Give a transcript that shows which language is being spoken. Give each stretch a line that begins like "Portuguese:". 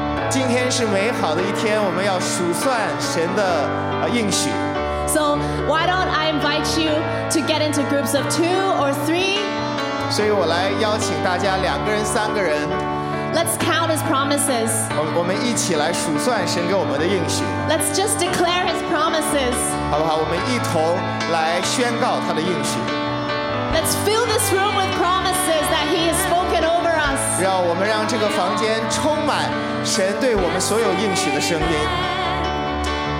Chinese: 今天是美好的一天，我们要数算神的应许。
English: So why don't I invite you to get into groups of two or three?
Chinese: 所以我来邀请大家两个人、三个人。
English: Let's count his promises.
Chinese: 我们一起来数算神给我们的应许。
English: Let's just declare his promises.
Chinese: 好不好？我们一同来宣告他的应许。
English: Let's fill this room with promises that he has spoken over us.
Chinese: 让我们让这个房间充满神对我们所有应许的声音。